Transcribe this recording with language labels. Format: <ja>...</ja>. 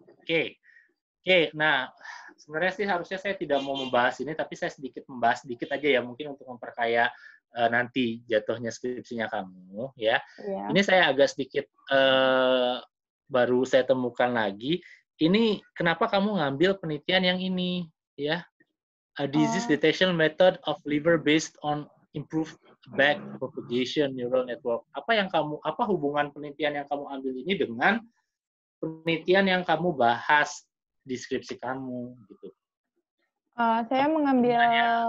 <id>Oke. Oke, nah, sebenarnya sih harusnya saya tidak mau membahas ini, tapi saya sedikit membahas sedikit aja ya, mungkin untuk memperkaya nanti jatuhnya skripsinya kamu. Ya. Ya. Ini saya agak sedikit baru saya temukan lagi, ini kenapa kamu ngambil penelitian yang ini, ya?</id> <en>A disease detection method of liver based on improved back propagation neural network.</en> <id>Apa yang kamu, apa hubungan penelitian yang kamu ambil ini dengan penelitian yang kamu bahas di skripsi kamu, gitu? Saya apa mengambil penanya?</id>